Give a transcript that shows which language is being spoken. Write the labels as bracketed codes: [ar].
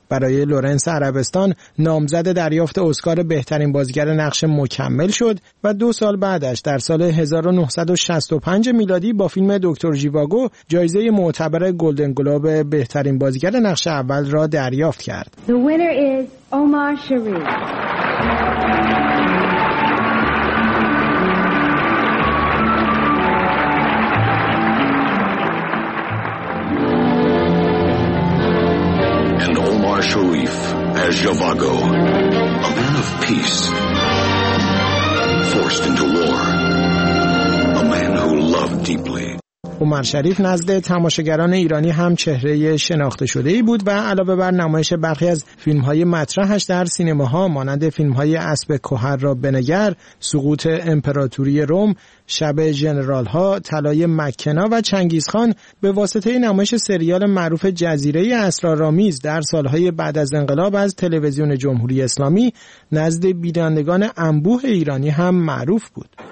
[fa] برای لورنس عربستان نامزد دریافت اسکار بهترین بازیگر نقش مکمل شد و دو سال بعدش در سال 1965 میلادی با فیلم دکتر ژیواگو جایزه معتبر گلدن گلوب بهترین بازیگر نقش اول را دریافت کرد. [en] The winner is Omar Sharif. Sharif as Ghivago, a man of peace, forced into war, a man who loved deeply. [fa] عمر شریف نزد تماشاگران ایرانی هم چهره شناخته شده ای بود و علاوه بر نمایش برخی از فیلم‌های مطرحش در سینماها مانند فیلم‌های اسب کهر را بنگر، سقوط امپراتوری روم، شب ژنرال‌ها، طلای مکنا و چنگیزخان به واسطه نمایش سریال معروف جزیره اسرارآمیز در سال‌های بعد از انقلاب از تلویزیون جمهوری اسلامی نزد بینندگان انبوه ایرانی هم معروف بود.